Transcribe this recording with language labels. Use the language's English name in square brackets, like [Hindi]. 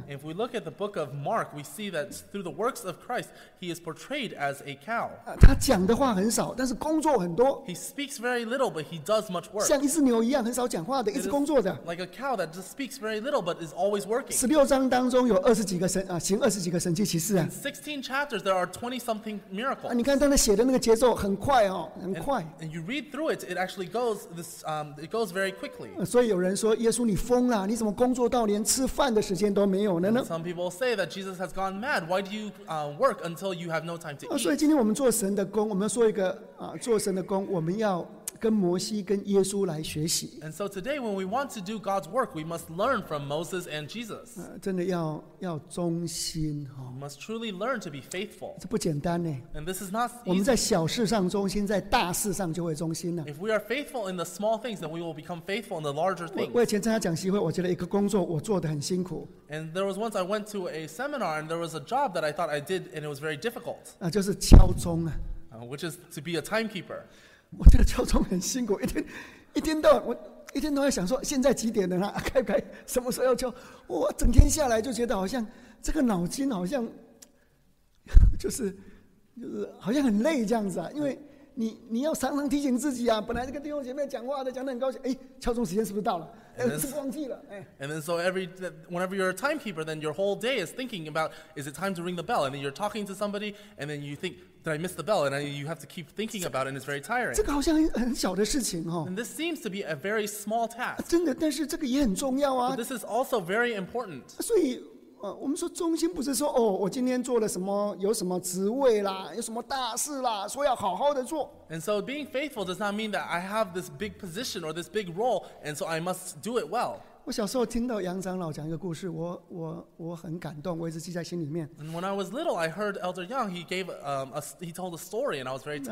[English] If we look at the book of Mark, we see that through the works of Christ, He is portrayed as a cow. [Chinese] 他讲的话很少，但是工作很多。 [English] He speaks very little, but he does much work. [Chinese] 像一只牛一样，很少讲话的，一直工作的。 [English] Like a cow that just speaks very little, but is always working. [Chinese] 十六章当中有二十几个神行二十几个神迹奇事啊。 [English] In 16 chapters, there are 20 something miracles. [Chinese] 你看他那写的那个节奏很快哦，很快。 [English] And you read through it, it actually goes this. It goes very quickly. [Chinese] 所以有人说耶稣你疯了，你怎么工作到连吃饭的时间都没有呢？ [English] And some people say that Jesus has gone mad. Why do you work until you have no time to eat? [Chinese] 所以今天我们做神的工，我们要做一个做神的工，我们要跟摩西跟耶稣来学习。 [English] And so today, when we want to do God's work, we must learn from Moses and Jesus. [Chinese] 真的要忠心哈。 [English] We must truly learn to be faithful. [Chinese] 这不简单呢。 [English] And this is not easy. [Chinese] 我们在小事上忠心，在大事上就会忠心了。 [English] If we are faithful in the small things, then we will become faithful in the larger things. [Chinese] 我以前参加讲习会，我觉得一个工作我做得很辛苦。 [English] And there was once I went to a seminar, and there was a job that I thought I did, and it was very difficult. [Chinese] 就是敲钟啊。 [English] Which is to be a timekeeper. [Chinese] 我觉得敲钟很辛苦，一天到要想说现在几点了，开不开，什么时候要敲，我整天下来就觉得好像这个脑筋好像就是好像很累这样子啊，因为你要常常提醒自己啊，本来跟弟兄姐妹讲话的讲得很高兴，哎，敲钟时间是不是到了？ [English] And then so every whenever you're a timekeeper, then your whole day is thinking about, is it time to ring the bell? And then you're talking to somebody, and then you think, did I miss the bell? And you have to keep thinking about it, and it's very tiring. [Chinese] 这个好像很小的事情哦。 [English] And this seems to be a very small task. [Chinese] 真的，但是这个也很重要啊。 [English] But this is also very important. [Chinese] 所以我们说忠心不是说哦，我今天做了什么，有什么职位啦，有什么大事啦，说要好好的做。 [English] And so being faithful does not mean that I have this big position or this big role, and so I must do it well. [Chinese] 我小时候听到杨长老讲一个故事，我很感动，我一直记在心里面。 [English] And when I was little, I heard Elder Young. He told a story, and I was very touched.